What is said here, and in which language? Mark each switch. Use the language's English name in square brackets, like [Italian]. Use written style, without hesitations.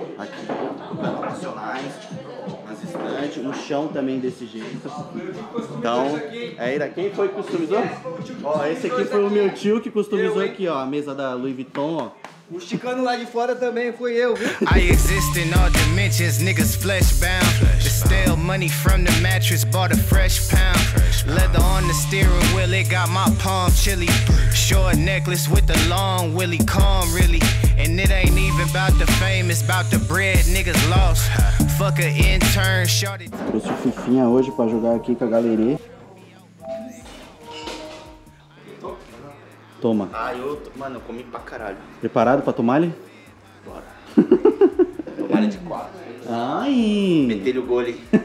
[Portuguese] Aqui, planos profissionais, as estantes, um chão também desse jeito. Então, é Ira, quem foi que customizou? Ó, esse aqui foi o meu tio que customizou aqui, ó, a mesa da Louis Vuitton, ó. O Chicano lá de fora também fui eu, viu? [English] I exist in all dimensions, niggas flesh bound. Stale money from the mattress, bought a fresh pound. Leather on the steering wheel, it got my palm chilly. Short necklace with the long willy calm, really. And it ain't even about the fame, it's about the bread, niggas lost. Fuck a intern, shorty. [Portuguese] Trouxe o Fifinha hoje pra jogar aqui com a galeria. Toma. Ah, mano, eu comi pra caralho. Preparado pra tomar ele? Bora. Tomar de quatro. Ai! Meter o gole.